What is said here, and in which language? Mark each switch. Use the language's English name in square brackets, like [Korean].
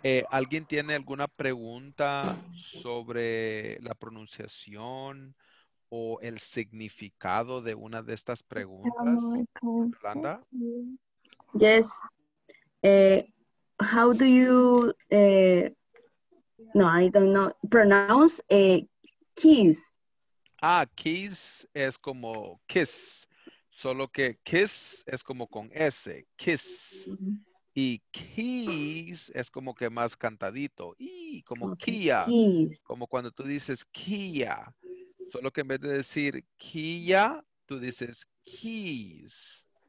[Spanish] ¿Alguien tiene alguna pregunta sobre la pronunciación o el significado de una de estas preguntas? Yolanda? [English] Yes. How do you, no, I don't know, pronounce keys? [Spanish] Ah, keys es como kiss. Solo que kiss es como con S, kiss. Y keys es como que más cantadito. Y como okay, Kia. [English] Keys. [Spanish] Como cuando tú dices Kia. Solo que en vez de decir Kia, tú dices keys.